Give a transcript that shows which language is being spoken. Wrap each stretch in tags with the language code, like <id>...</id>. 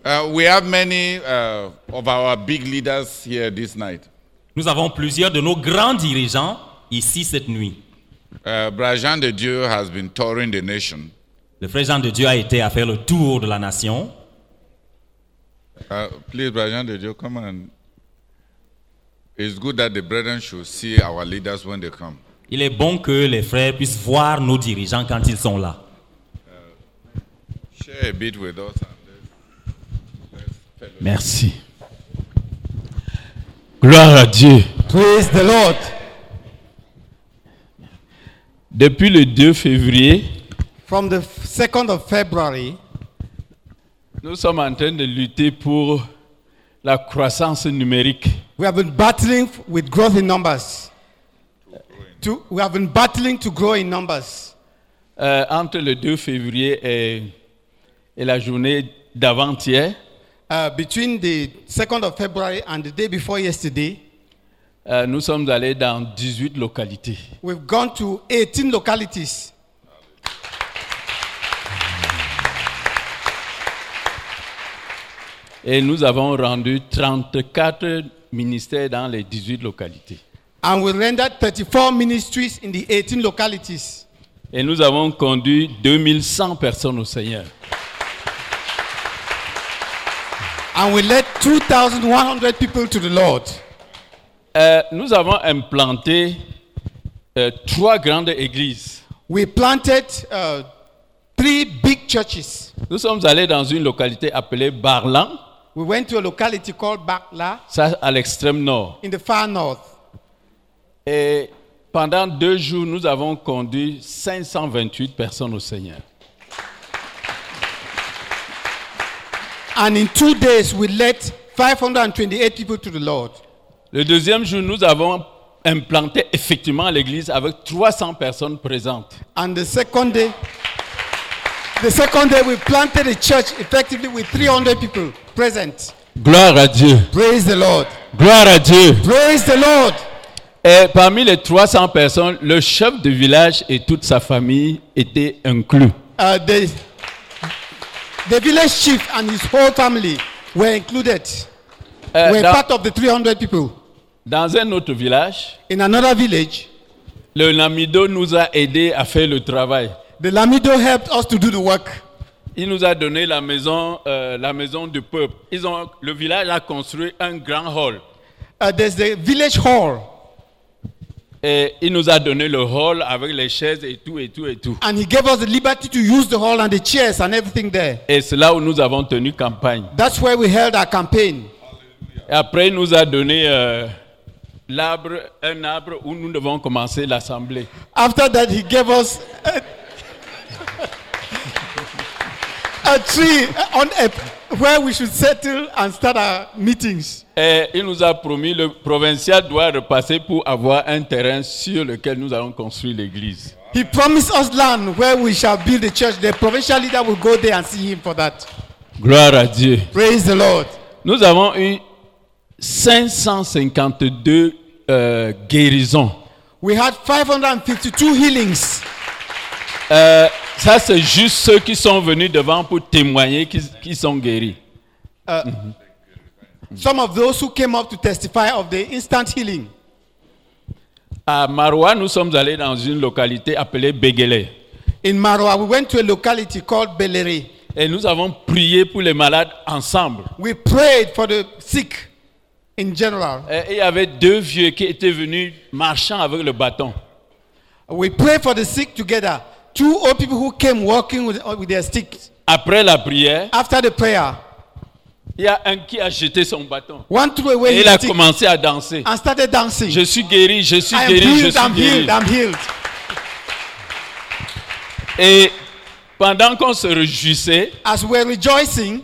<en>We have many of our big leaders here this night.</en> <fr>Nous avons plusieurs de nos grands dirigeants ici cette nuit.</fr> <en>Brother Jean de Dieu has been touring the nation.</en> <fr>Le frère Jean de Dieu a été à faire le tour de la nation.</fr> <en>Please, Brother Jean de Dieu, come on. It's good that the brethren should see our leaders when they come.</en> <fr>Il est bon que les frères puissent voir nos dirigeants quand ils sont là.</fr> <en>Share a bit with us.</en> <fr>Merci. Gloire à Dieu.</fr> <en>Praise the Lord.</en> <fr>Depuis le 2 février,</fr> <en>from the 2nd of February,</en> <fr>nous sommes en train de lutter pour la croissance numérique.</fr> <en>We have been battling with growth in numbers. We have been battling to grow in numbers.</en> <fr>Entre le 2 février et la journée d'avant-hier,</fr> <en>Between the 2nd of February and the day before yesterday,</en> <fr>nous sommes allés dans 18 localités.</fr> <en>We've gone to 18 localities.</en> <fr>Et nous avons rendu 34 ministères dans les 18 localités.</fr> <en>And we rendered 34 ministries in the 18 localities.</en> <fr>Et nous avons conduit 2100 personnes au Seigneur.</fr> <en>And we led 2,100 people to the Lord.</en> <fr>Nous avons implanté trois grandes églises.</fr> <en>We planted three big churches.</en> <fr>Nous sommes allés dans une localité appelée Barlan.</fr> <en>We went to a locality called Bakla.</en> <fr>Ça, à l'extrême nord.</fr> <en>In the far north.</en> <fr>Et pendant deux jours, nous avons conduit 528 personnes au Seigneur.</fr> <en>And in 2 days, we led 528 people to the Lord.</en> <fr>Le deuxième jour, nous avons implanté effectivement l'église avec 300 personnes présentes.</fr> <en>And the second day, we planted a church effectively with 300 people present.</en> <fr>Gloire à Dieu.</fr> <en>Praise the Lord.</en> <fr>Gloire à Dieu.</fr> <en>Praise the Lord.</en> <fr>Et parmi les 300 personnes, le chef de village et toute sa famille étaient inclus.</fr> <en>The village chief and his whole family were included. Were part of the 300 people.</en> <fr>Dans un autre village,</fr> <en>in another village,</en> <fr>le Lamido nous a aidé à faire le travail.</fr> <en>The Lamido helped us to do the work.</en> <fr>Il nous a donné la maison du peuple. Le village a construit un grand hall.</fr> <en>There's the village hall.</en> <fr>Et il nous a donné le hall avec les chaises et tout, et tout, et tout.</fr> <en>And he gave us the liberty to use the hall and the chairs and everything there.</en> <fr>Et c'est là où nous avons tenu campagne.</fr> <en>That's where we held our campaign.</en> <fr>Et après, il nous a donné un arbre où nous devons commencer l'assemblée.</fr> <en>After that, he gave us a tree on where we should settle and start our meetings.</en> <fr>Et il nous a promis le provincial doit repasser pour avoir un terrain sur lequel nous allons construire l'église.</fr> <en>He promised us land where we shall build the church. The provincial leader will go there and see him for that.</en> <fr>Gloire à Dieu.</fr> <en>Praise the Lord.</en> <fr>Nous avons eu 552 guérisons.</fr> <en>We had 552 healings.</en> <fr>Ça, c'est juste ceux qui sont venus devant pour témoigner qu'ils sont guéris.</fr> <en>Some of those who came up to testify of the instant healing.</en> <fr>À Maroua, nous sommes allés dans une localité appelée Begele.</fr> <en>In Maroua, we went to a locality called Beleri.</en> <fr>Et nous avons prié pour les malades ensemble.</fr> <en>We prayed for the sick in general.</en> <fr>Et il y avait deux vieux qui étaient venus marchant avec le bâton.</fr> <en>We prayed for the sick together. Two old people who came walking with their sticks.</en> <fr>Après la prière,</fr> <en>after the prayer,</en> <fr>il y a un qui a jeté son bâton.</fr> <en>One threw away</en> <fr>et</fr> <en>his</en> <fr>il a commencé à danser.</fr> <en>And started dancing.</en> <fr>Je suis guéri, je suis</fr> <en>I'm</en> <fr>guéri,</fr> <en>healed,</en> <fr>je suis</fr> <en>I'm</en> <fr>guéri.</fr> <en>Healed, I'm healed.</en> <fr>Et pendant qu'on se réjouissait,</fr> <en>as we're rejoicing,</en>